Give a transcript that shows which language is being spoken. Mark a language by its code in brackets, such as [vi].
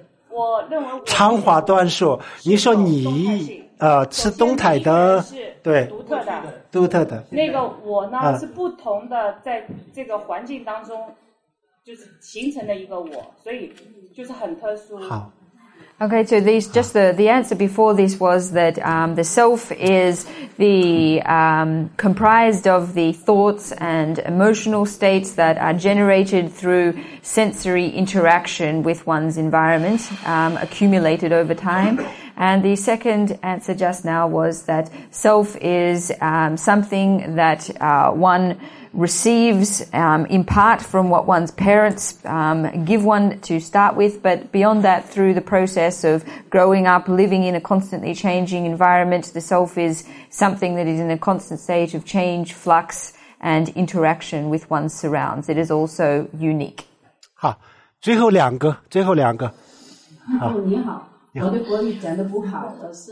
[zh] 我认为我长话短说，你说你是动态的，对，独特的。那个我呢是不同的，在这个环境当中就是形成了一个我，所以就是很特殊。好 [en] ，OK， so just the answer before this was that the self is the comprised of the thoughts and emotional states that are generated through sensory interaction with one's environment, accumulated over time. And the second answer just now was that self is something that one receives in part from what one's parents give one to start with, but beyond that, through the process of growing up, living in a constantly changing environment, the self is something that is in a constant state of change, flux, and interaction with one's surrounds. It is also unique. [zh] 好，最后两个。我的国语讲得不好，我是